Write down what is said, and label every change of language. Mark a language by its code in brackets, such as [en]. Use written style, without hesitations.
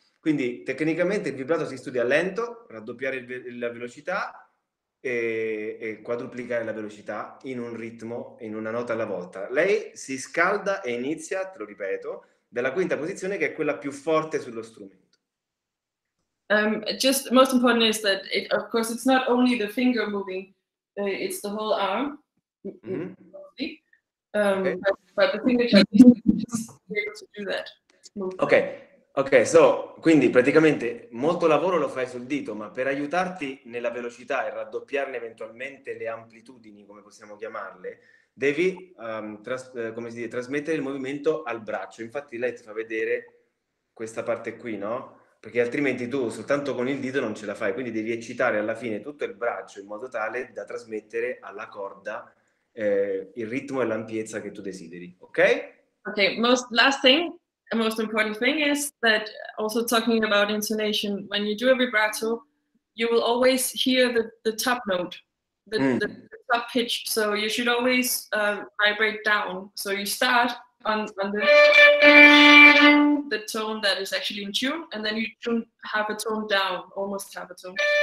[it] Quindi tecnicamente il vibrato si studia lento, raddoppiare la velocità e quadruplicare la velocità in un ritmo, in una nota alla volta. Lei si scalda e inizia, te lo ripeto, dalla quinta posizione, che è quella più forte sullo strumento. [en] Just most important is that it, of course it's not only the finger moving, it's the whole arm. Mm-hmm. Okay. But the finger just able to do that. Okay. Okay, so [it] quindi praticamente molto lavoro lo fai sul dito, ma per aiutarti nella velocità e raddoppiarne eventualmente le amplitudini, come possiamo chiamarle, devi trasmettere il movimento al braccio. Infatti lei ti fa vedere questa parte qui, no? Perché altrimenti tu soltanto con il dito non ce la fai, quindi devi eccitare alla fine tutto il braccio in modo tale da trasmettere alla corda il ritmo e l'ampiezza che tu desideri, ok? [en] Okay, most important thing is that also talking about intonation, when you do a vibrato, you will always hear the top note, the top pitch, so you should always vibrate down, so you start on the tone that is actually in tune, and then you tune have a tone down, almost have a tone.